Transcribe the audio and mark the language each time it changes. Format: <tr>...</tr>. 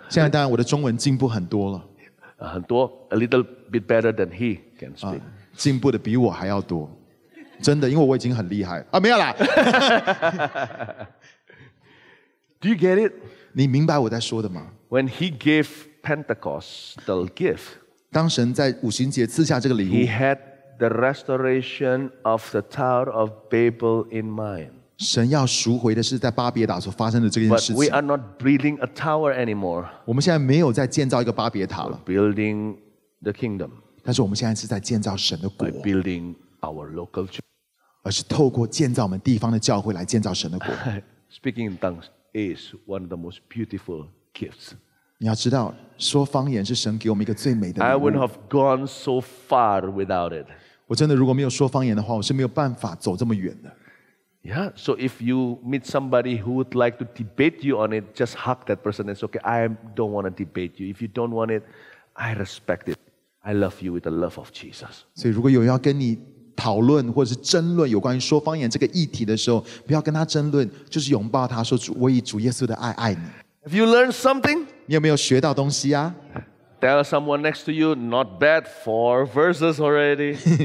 <zh>现在当然我的中文进步很多了。很多,</zh> <en>a little bit better than he can speak.</en> <zh>进步的比我还要多。真的，因为我已经很厉害啊！没有啦。</zh> <en>Do you get it?</en> <zh>你明白我在说的吗？</zh> <en>When he gave Pentecost the gift,</en> <zh>当神在五旬节赐下这个礼物，</zh> <en>he had the restoration of the Tower of Babel in mind.</en> <zh>神要赎回的是在巴别塔所发生的这件事情。</zh> <en>But we are not building a tower anymore.</en> <zh>我们现在没有在建造一个巴别塔了。</zh> <en>Building the kingdom.</en> <zh>但是我们现在是在建造神的国。</zh> <en>By building our local church.</en> <zh>而是透过建造我们地方的教会来建造神的国。</zh> <en>Speaking in tongues is one of the most beautiful gifts.</en> <zh>你要知道，说方言是神给我们一个最美的礼物。</zh> <en>I would have gone so far without it.</en> <zh>我真的如果没有说方言的话，我是没有办法走这么远的。</zh> <en>Yeah, so if you meet somebody who would like to debate you on it, just hug that person and say, okay, I don't want to debate you. If you don't want it, I respect it. I love you with the love of Jesus.</en> <zh>所以如果有人要跟你 讨论或者是争论有关于说方言这个议题的时候，不要跟他争论，就是拥抱他说：“主，我以主耶稣的爱爱你。”</zh> <en>Have you learned something?</en> <zh>你有没有学到东西啊？</zh> <en>Tell someone next to you, not bad, 4 verses already.</en>